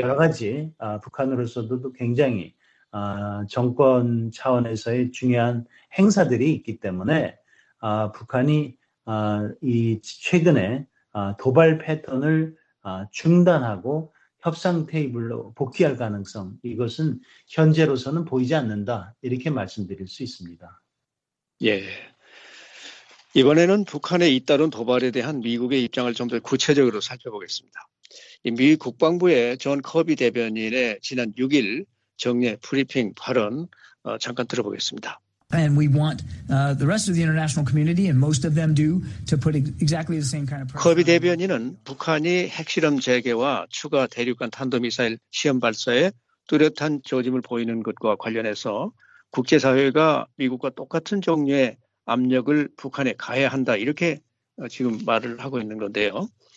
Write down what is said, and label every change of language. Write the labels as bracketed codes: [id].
[ko] 여러 가지 북한으로서도 굉장히 정권 차원에서의 중요한 행사들이 있기 때문에 북한이 이 최근에 도발 패턴을 중단하고 협상 테이블로 복귀할 가능성 이것은 현재로서는 보이지 않는다 이렇게 말씀드릴 수 있습니다. 예. 이번에는 북한의 잇따른 도발에 대한 미국의 입장을 좀 더 구체적으로 살펴보겠습니다. 미 국방부의 존 커비 대변인의 지난 6일 정례 브리핑 발언 잠깐 들어보겠습니다. [en] And we want the rest of the international community, and most of them do, to put exactly the same kind of pressure. [ko] 커비 대변인은 북한이 핵실험 재개와 추가 대륙간 탄도미사일 시험 발사에 뚜렷한 조짐을 보이는 것과 관련해서 국제사회가 미국과 똑같은 종류의 압력을 북한에 가해야 한다 이렇게 지금 말을 하고 있는 건데요.